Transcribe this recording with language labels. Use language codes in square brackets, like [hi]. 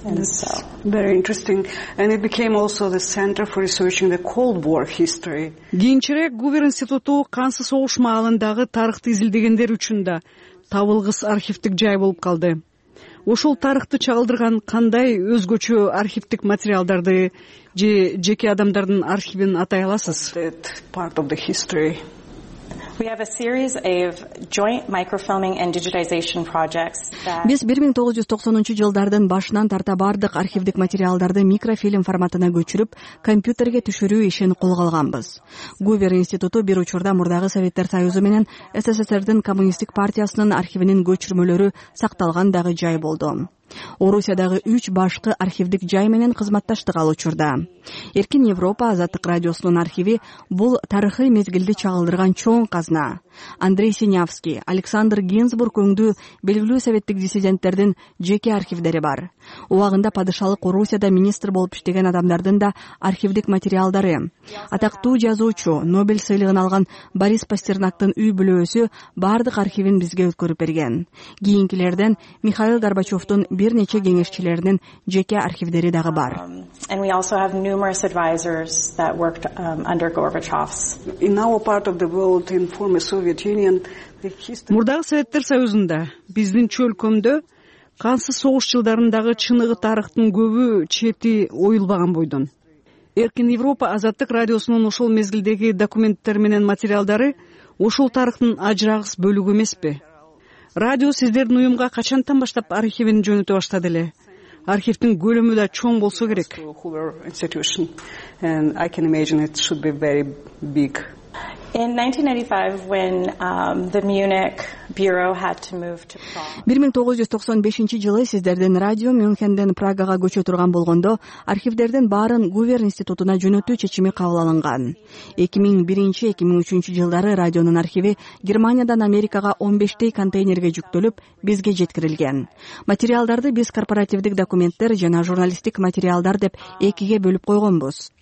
[en] And that's so very interesting. And it became also the center for researching the Cold War history. [ky] Кийинчерээк Гувер институту кансыз согуш маалындагы тарыхты изилдегендер үчүн да табылгыс архивтик жай болуп калды. Ошол тарыхты чагылдырган кандай өзгөчө архивтик материалдарды же жеке адамдардын архивин атай аласыз? [en] Part of the history. We have a series of joint microfilming and digitization projects that [ky] Биз 1990 жылдардын башынан тарта бардык архивдик материалдарды микрофильм форматына көчүрүп, компьютерге түшүрүү ишин колго алганбыз. Гувер институту бир учурда мурдагы Советтер Союзу менен СССРдин коммунисттик партиясынын архивинин көчүрмөлөрү сакталган дагы жай болду. Орусиядагы 3 башкы архивдик жай менен кызматташтык алуучурда. Эркин Европа Азаттык радиосунун архиви бул тарыхый мезгилди чагылдырган чоң казна. Андрей Синявский, Александр Гинзбург өңдүү белгилүү советтик диссиденттердин жеке архивдери бар. Убагында падышалык Орусияда министр болуп иштеген адамдардын да архивдик материалдары. Атактуу жазуучу, Нобель сыйлыгын алган Борис Пастернактын үй бүлөсү бардык архивин бизге өткөрүп берген. Кийинкилерден Михаил Горбачевдун бир нече кеңешчилеринин жеке архивдери дагы бар. [en] And we also have numerous advisors that worked under Gorbachev's. In our part of the world, in former Soviet Union, the history. [ky] Мурдагы Советтер Союзунда биздин чөлкөмдө кансыз согуш жылдарындагы чыныгы тарыхтын көбү чети оюлбаган бойдон. Эркин Европа Азаттык радиосунун ошол мезгилдеги документтер менен материалдары ошол тарыхтын ажырагыс бөлүгү эмеспи? Радио сиздердин уюмга качантан баштап архивин жөнөтө баштады эле? архивтин көлөмү да чоң болсо керек. [en] In 1995, when the Munich Bureau had to move to Prague. 1995 [ky] сиздердин радио Мюнхендин Прагага көчө турган болгондо, архивдердин баарын Гувер институтуна жөнөтүү чечими кабыл алынган. 2001-2003 жылдары радионун архиви Германиядан Америкага 15 контейнерге жүктөлүп, бизге жеткирилген. Материалдарды биз корпоративдик документтер жана журналистик материалдар деп экиге бөлүп койгонбуз.